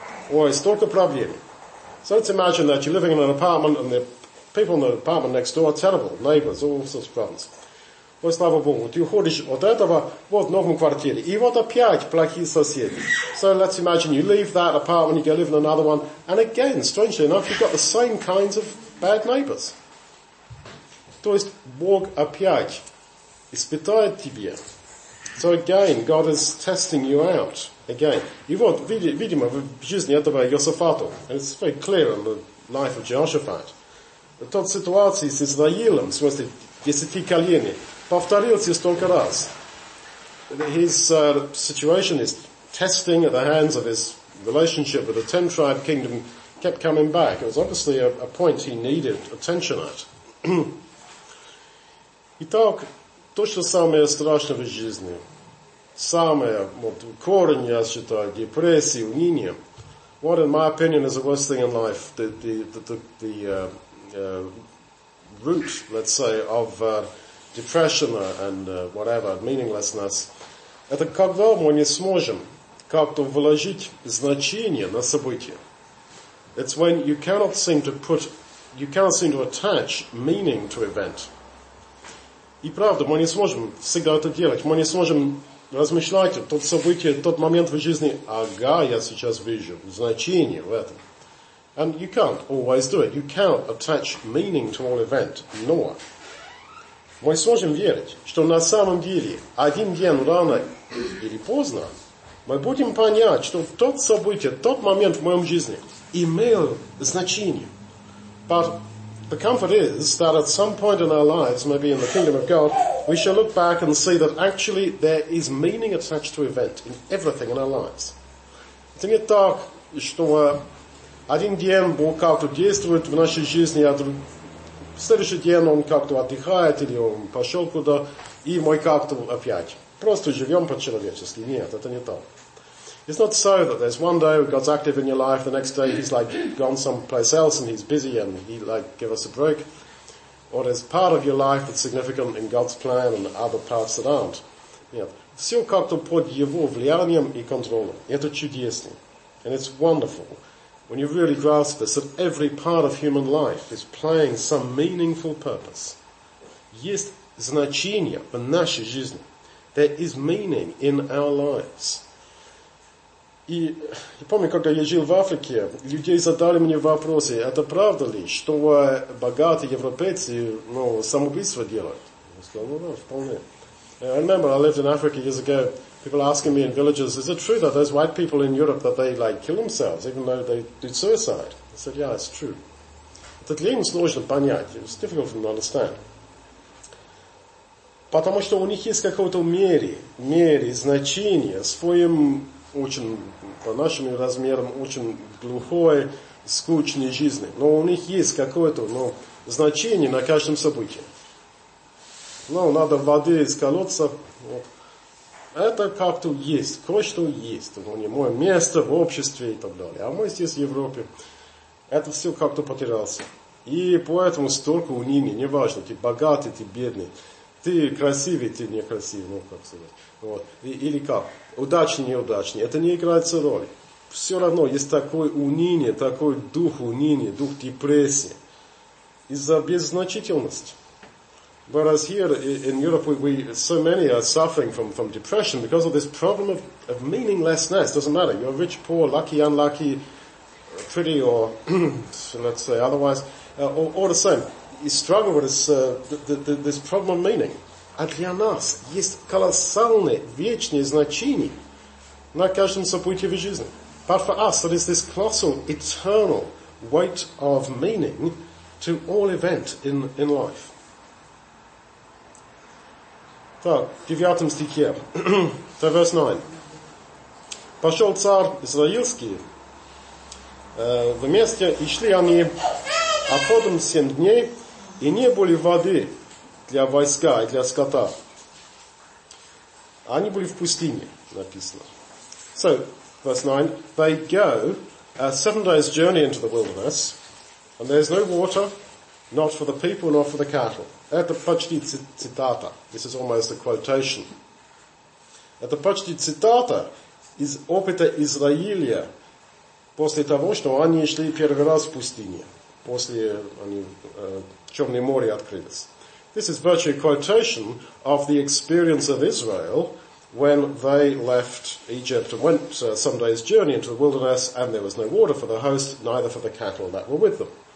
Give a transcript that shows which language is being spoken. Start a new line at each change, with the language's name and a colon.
Russian: Ой, столько проблем.
English: So let's imagine that you're living in an apartment and the people in the apartment next door are terrible neighbors, all sorts of problems.
Russian: Ой, слава Богу, ты уходишь от этого вот в новом квартире. И вот опять плохие соседи.
English: So let's imagine you leave that apartment, you go live in another one, and again, strangely enough, you've got the same kinds of bad neighbors.
Russian: То есть Бог опять испытает тебя.
English: So again, God is testing you out again.
Russian: И вот, видимо, в жизни этого Йосафата,
English: and it's very clear in the life of Jehoshaphat,
Russian: тот ситуации с Израилем, в смысле, десяти колени, повторился столько раз.
English: His situation is testing at the hands of his relationship with the ten tribe kingdom kept coming back. It was obviously a point he needed attention at.
Russian: Итак, то, что самое страшное в жизни, самое, вот, корень, я считаю, депрессии, уныние,
English: what, in my opinion, is the worst thing in life, the root, let's say, of depression and whatever, meaninglessness,
Russian: это когда мы не сможем как-то вложить значение на события.
English: It's when you cannot seem to attach meaning to event.
Russian: И правда, мы не сможем всегда это делать. Мы не сможем размышлять тот событие, тот момент в жизни. Ага, я сейчас вижу значение в этом.
English: And you can't always do it. You can't attach meaning to all event.
Russian: Но мы сможем верить, что на самом деле один день рано или поздно мы будем понять, что тот событие, тот момент в моем жизни имел значение.
English: But the comfort is that at some point in our lives, maybe in the kingdom of God, we shall look back and see that actually there is meaning attached to event in everything in our lives.
Russian: Это не так, что один день Бог как-то действует в нашей жизни, а в следующий день он как-то отдыхает или он пошел куда, и мы как-то опять. Просто живем по-человечески. Нет, это не так.
English: It's not so that there's one day God's active in your life, the next day he's like gone someplace else and he's busy and he like give us a break. Or there's part of your life that's significant in God's plan and other parts that aren't.
Russian: Нет. Все как-то под его влиянием и контролем. Это чудесно.
English: And it's wonderful when you really grasp this, that every part of human life is playing some meaningful purpose.
Russian: Есть значение в нашей жизни.
English: There is meaning in our lives.
Russian: И я помню, когда я жил в Африке, люди задали мне вопросы, это правда ли, что богатые европейцы самоубийство делают? Я сказал, ну да, вполне.
English: I remember, I lived in Africa years ago, People asking me in villages, is it true that those white people in Europe, that they like kill themselves, even though they do suicide? I said, yeah, it's true.
Russian: Это для них сложно понять.
English: It's difficult for them to understand.
Russian: Потому что у них есть какое-то мере, значение, своим очень, по нашим размерам, очень глухой, скучной жизни. Но у них есть какое-то, ну, значение на каждом событии. Ну, надо воды из колодца, вот. Это как-то есть, кое-что есть. У них мое место в обществе и так далее. А мы здесь в Европе. Это все как-то потерялось. И поэтому столько у них, неважно, ты богатый, ты бедный. Ты красивый, ты некрасивый, ну как сказать. Вот. Или как? Удачный, неудачный. Это не играет роли. Все равно есть такое уныние, такой дух уныния, дух депрессии. Из-за беззначительности.
English: Whereas here in Europe, we so many are suffering from depression because of this problem of meaninglessness. Doesn't matter. You're rich, poor, lucky, unlucky, pretty or, let's say, otherwise. All the same.
Russian: И
English: struggle with this problem of meaning.
Russian: А для нас есть колоссальное, вечное значение на каждом событии в жизни.
English: But for us, there is this colossal, eternal weight of meaning to all event in life.
Russian: Так, в 9 стихе,
English: verse 9.
Russian: Пошел царь Израильский в месте, и шли они обходом 7 дней, и не были воды для войска и для скота. Они были в пустыне, написано.
English: So, verse 9, they go a 7 days journey into the wilderness, and there's no water, not for the people, nor for the cattle.
Russian: Это почти цитата.
English: This is almost a quotation.
Russian: Это почти цитата из опыта Израиля после того, что они шли первый раз в пустыне. После они Черное море открылось.
English: This is virtually a quotation of the experience of Israel when they left Egypt and went some day's journey into the wilderness and there was no water for the host, neither for the cattle that were with them.